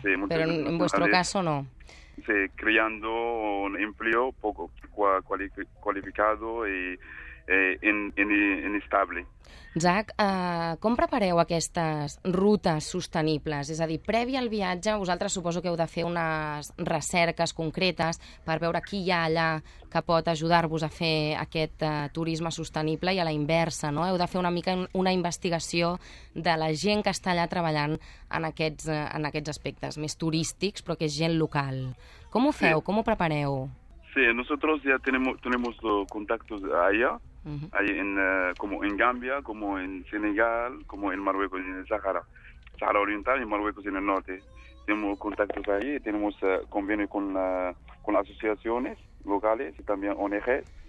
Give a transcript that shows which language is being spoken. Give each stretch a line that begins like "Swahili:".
Spanish: Sí, pero en vuestro caso no. Sí, creando un empleo poco cualificado y inestable.
Catalan: Jack, com prepareu aquestes rutes sostenibles? És a dir, previ al viatge, vosaltres suposo que heu de fer unes recerques concretes per veure qui hi ha allà que pot ajudar-vos a fer aquest turisme sostenible i a la inversa, no? Heu de fer una mica una investigació de la gent que està allà treballant en aquests aspectes més turístics, però que és gent local. Com ho feu? Sí. Com ho prepareu?
Spanish: Sí, nosotros ya tenemos contactos allá, como en Gambia, como en Senegal, como en Marruecos, en el Sahara, Sahara Oriental y Marruecos en el norte. Tenemos contactos ahí, tenemos convenios con asociaciones locales y también ONGs.